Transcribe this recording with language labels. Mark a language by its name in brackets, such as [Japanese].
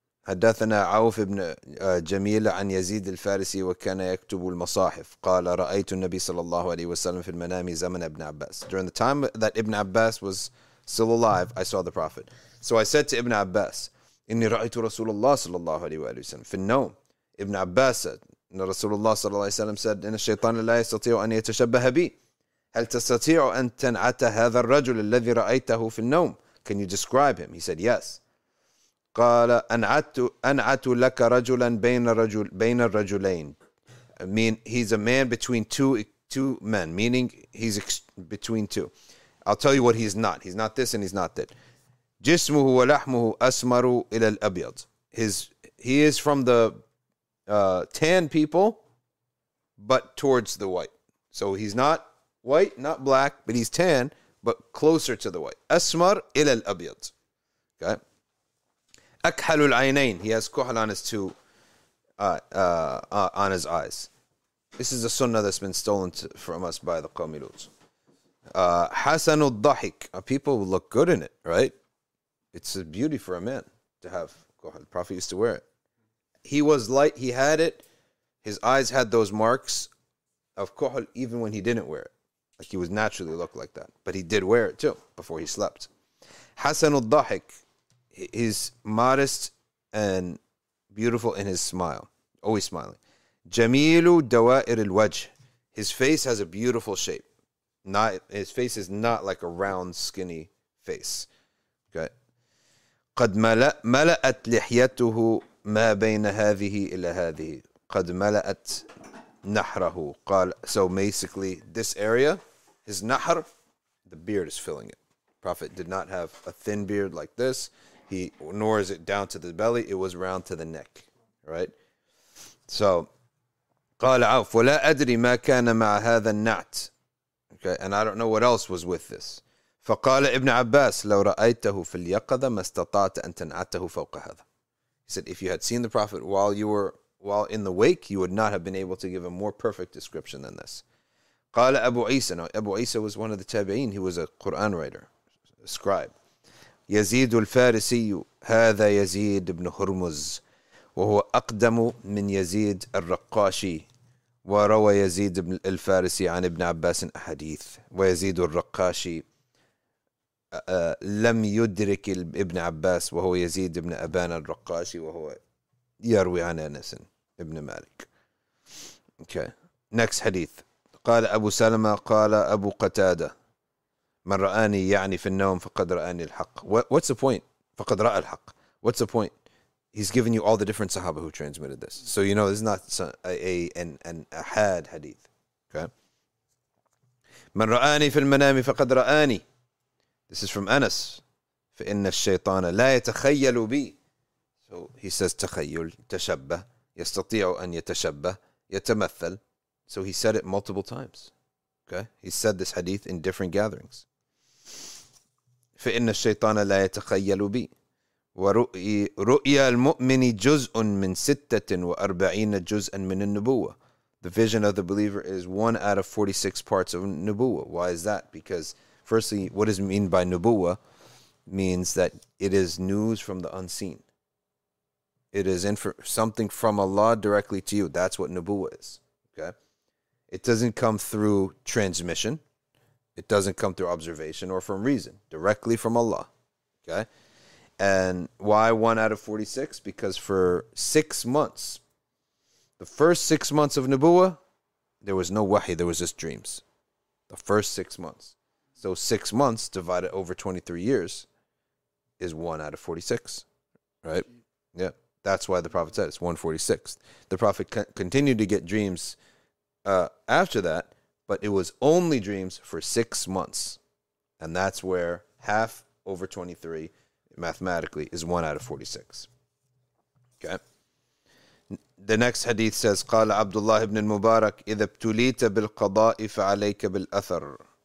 [Arabic] حدثنا عوف بن جميل عن يزيد الفارسي وكان يكتب المصاحف. قال رأيت النبي صلى الله عليه وسلم في المنام زمن ابن عباس. [English] During the time that Ibn Abbas was still alive, I saw the Prophet. So I said to Ibn Abbas, [Arabic] إني رأيت رسول الله صلى الله عليه وسلم في النوم. [English] Ibn Abbas said, [Arabic] إن رسول الله صلى الله عليه وسلم [English] said, [Arabic] إن الشيطان لا يستطيع أن يتشبه بي. هل تستطيع أن تنعت هذا الرجل الذي رأيته في النوم؟ [English] Can you describe him? He said, yes. [Arabic] قال أنعت لك رجلا بين الرجلين. [English] I mean, he's a man between two men, meaning he's between two. I'll tell you what he's not. He's not this and he's not that. [Arabic] جسمه ولحمه أسمر إلى الأبيض. [English] He is from the tan people but towards the white. So he's not white, not black, but he's tan, but closer to the white. [Arabic] Asmar إلى الأبيض. Okay. أكحل العينين. [English] He has كحل on his two, on his eyes. This is a sunnah that's been stolen from us by the Qawmi Lut. [Arabic] حسن الضحك. [English] People look good in it, right? It's a beauty for a man to have. The Prophet used to wear it. He was light. He had it. His eyes had those marks of kohl even when he didn't wear it. Like he was naturally looked like that. But he did wear it too before he slept. [Arabic] حسن الضحك. [English] He's modest and beautiful in his smile. Always smiling. [Arabic] جميل دوائر الوجه. [English] His face has a beautiful shape. His face is not like a round, skinny face. Okay. [Arabic] قد ملأت لحيته ما بين هذه إلى هذه قد ملأت نحره قال. [English] So basically, this area, his nahr, the beard is filling it. Prophet did not have a thin beard like this. He nor is it down to the belly. It was round to the neck, right? [Arabic] So قال عوف ولا أدري ما كان مع هذا النعت. [English] Okay, and I don't know what else was with this. [Arabic] فقال ابن عباس لو رأيته في اليقظة ما استطعت أن تنعته فوق هذا. [English] He said, if you had seen the Prophet while in the wake, you would not have been able to give a more perfect description than this. [Arabic] قال أبو عيسى. [English] Now, Abu Isa was one of the Tabi'in. He was a Quran writer, a scribe. [Arabic] يزيد الفارسي هذا يزيد بن هرمز وهو أقدم من يزيد الرقاشي. وروى يزيد الفارسي عن ابن عباس أحاديث ويزيد الرقاشي لم يدرك ابن عباس وهو يزيد ابن أبان الرقاشي وهو يروي عن أنس ابن مالك. [English] Okay. Next حديث. [Arabic] قال أبو سلمة قال أبو قتادة من رآني يعني في النوم فقد رآني الحق. [English] What's the point? [Arabic] فقد رأى الحق. [English] What's the point? He's given you all the different sahaba who transmitted this. So you know this is not a had hadith. Okay. [Arabic] من رآني في المنام فقد رآني. [English] This is from Anas. [Arabic] فإن الشيطان لا يتخيل بي. [English] So he says [Arabic] تخيل تشبه يستطيع أن يتشبه يتمثل. [English] So he said it multiple times. Okay. He said this hadith in different gatherings. [Arabic] فإن الشيطان لا يتخيل بي. ورؤيا المؤمن جزء من 46 جزءا من النبوة. [English] The vision of the believer is one out of 46 parts of nubuwa. Why is that? Because firstly, what is mean by nubuwa means that it is news from the unseen. It is something from Allah directly to you. That's what nubuwa is. Okay, it doesn't come through transmission. It doesn't come through observation or from reason. Directly from Allah. Okay. And why one out of 46? Because for 6 months, the first 6 months of Nubuwa, there was no wahi, there was just dreams. The first 6 months. So 6 months divided over 23 years is one out of 46. Right? Yeah. That's why the Prophet said it's 146. The Prophet continued to get dreams after that, but it was only dreams for 6 months. And that's where half over 23 mathematically is 1 out of 46. Okay. The next hadith says [Arabic] قال عبد الله بن المبارك إذا ابتليت بالقضاء فعليك بالأثر.